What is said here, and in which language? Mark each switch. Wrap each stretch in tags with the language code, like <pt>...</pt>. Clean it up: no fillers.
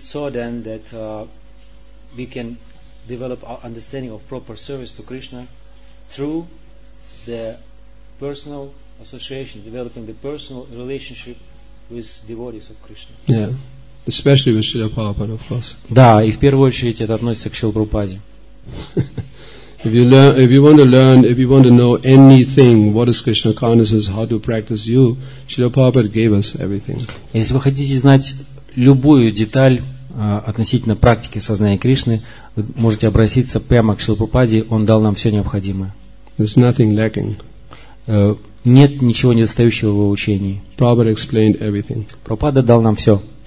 <en>is it so then that we can develop our understanding of proper service to Krishna through the personal association, developing the personal relationship with devotees of Krishna? Yeah, especially with Srila Prabhupada, of course.</en> <ru>Да, и в первую очередь это относится к Шриле Прабхупаде.</ru> <en>If you want to know anything, what is Krishna consciousness, how to practice, you, Srila Prabhupada gave us everything.</en> <ru>Если вы хотите знать любую деталь относительно практики сознания Кришны, вы можете обратиться прямо к Шриле Прабхупаде, он дал нам все необходимое.</ru> <en>There's nothing lacking.</en> <ru>Нет ничего недостающего в его учении.</ru> <en>Prabhupada explained everything.</en> <ru>Прабхупада дал нам все.</ru>